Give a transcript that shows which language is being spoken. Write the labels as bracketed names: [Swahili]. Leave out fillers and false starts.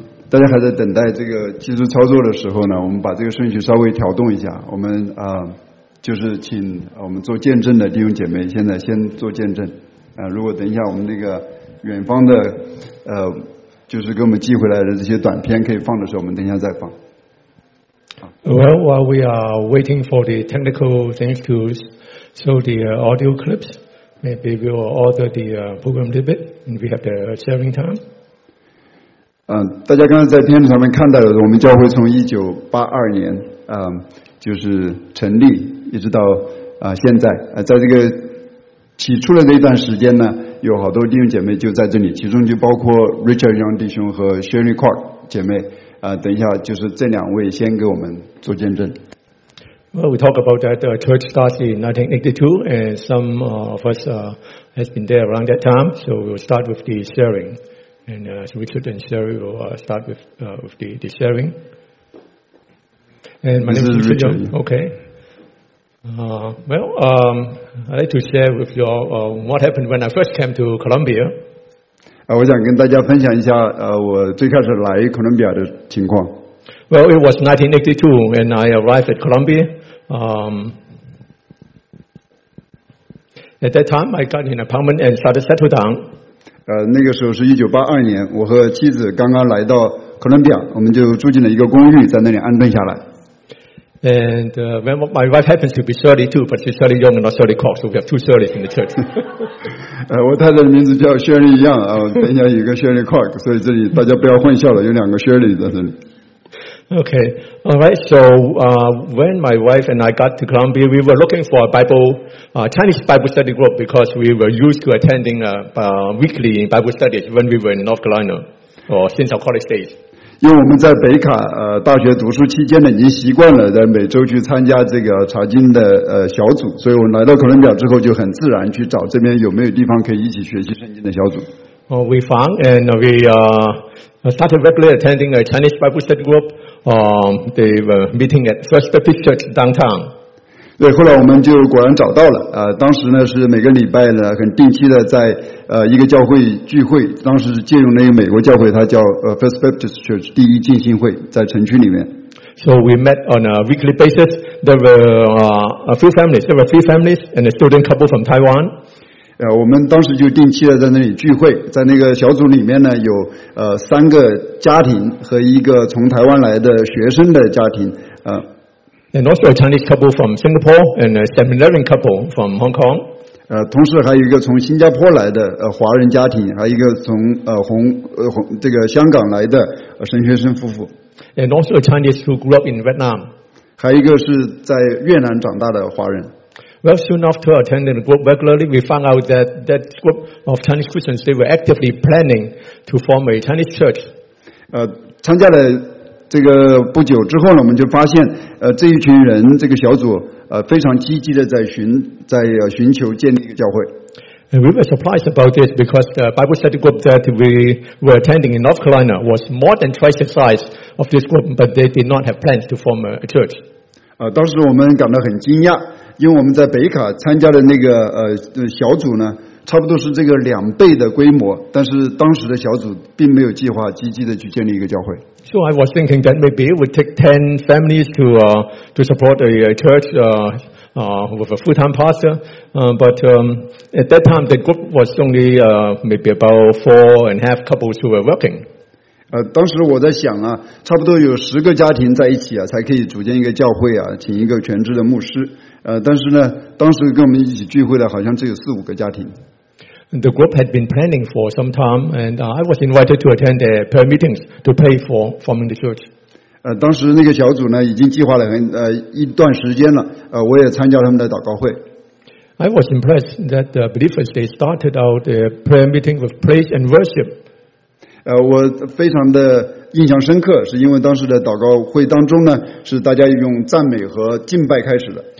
[Chinese] 大家还在等待这个技术操作的时候呢，我们把这个顺序稍微调动一下。我们就是请我们做见证的弟兄姐妹现在先做见证。如果等一下我们那个远方的就是给我们寄回来的这些短片可以放的时候，我们等一下再放。 [English] Well, while we are waiting for the technical things to show the audio clips, maybe we will order the program a little bit and we have the sharing time. [Chinese] 大家刚才在片子上面看到的，我们教会从1982年就是成立一直到现在，在这个起初的这一段时间呢，有好多弟兄姐妹就在这里，其中就包括 Richard Young 弟兄和 Sherry Clark 姐妹。等一下就是这两位先给我们做见证。 [English] Well, we talk about that church started in 1982 and some of us has been there around that time, so we'll start with the sharingAnd so Richard and Sherry will start with the sharing. And my name is Richard. Young. Okay. I'd like to share with you all what happened when I first came to Colombia. [Chinese] 我想跟大家分享一下我最开始来哥伦比亚的情况。 [English] Well, it was 1982 when I arrived at Colombia. At that time, I got an apartment and started to settle down. [Chinese] 那个时候是1982年，我和妻子刚刚来到哥伦比亚，我们就住进了一个公寓，在那里安顿下来。 [English] And when my wife happens to be 32, but she's 30 young and not 30 cock, so we have two 30s in the church. [Chinese] 我太太的名字叫 Shirley 一样啊，等一下有个 Shirley cock， 所以这里大家不要混淆了，有两个 Shirley 在这里。 [English] Okay, all right. So when my wife and I got to Columbia, we were looking for a Bible, Chinese Bible study group because we were used to attending weekly Bible studies when we were in North Carolina or since our college days. [Chinese] 因为我们在北卡大学读书期间呢，已经习惯了在每周去参加这个查经的小组，所以我来到哥伦比亚之后就很自然去找这边有没有地方可以一起学习圣经的小组。 [English] We found and we started regularly attending a Chinese Bible study group. They were meeting at First Baptist Church downtown. [Chinese] 对，后来我们就果然找到了。当时呢是每个礼拜呢很定期的在。一个教会聚会，当时是借用那个美国教会，它叫First Baptist Church 第一浸信会，在城区里面。 [English] So we met on a weekly basis. There were a few families. There were three families and a student couple from Taiwan. [Chinese] 我们当时就定期的在那里聚会，在那个小组里面呢，有三个家庭和一个从台湾来的学生的家庭。 [English] And also a Chinese couple from Singapore and a seminarian couple from Hong Kong. [Chinese] 同时还有一个从新加坡来的华人家庭，还有一个从这个香港来的神学生夫妇。 [English] And also a Chinese who grew up in Vietnam. [Chinese] 还有一个是在越南长大的华人。 [English] Well, soon after attending the group regularly, we found out that that group of Chinese Christians, they were actively planning to form a Chinese church. [Chinese] 参加了这个不久之后呢，我们就发现这一群人这个小组非常积极的在寻求建立一个教会。 [English] We were surprised about this because the Bible study group that we were attending in North Carolina was more than twice the size of this group, but they did not have plans to form a church. [Chinese] 当时我们感到很惊讶，因为我们在北卡参加的那个小组呢，差不多是这个两倍的规模，但是当时的小组并没有计划积极的去建立一个教会。 [English] So I was thinking that maybe it would take 10 families to support a church with a full-time pastor. At that time, the group was only maybe about 4.5 couples who were working. [Chinese] 当时我在想啊，差不多有十个家庭在一起啊，才可以组建一个教会啊，请一个全职的牧师。但是呢，当时跟我们一起聚会的好像只有四五个家庭。 [English] The group had been planning for some time, and I was invited to attend their prayer meetings to pray for forming the church. [Chinese] 当时那个小组呢已经计划了一段时间了。我也参加他们的祷告会。 [English] I was impressed that the believers they started out their prayer meeting with praise and worship. [Chinese] 我非常的印象深刻，是因为当时的祷告会当中呢，是大家用赞美和敬拜开始的。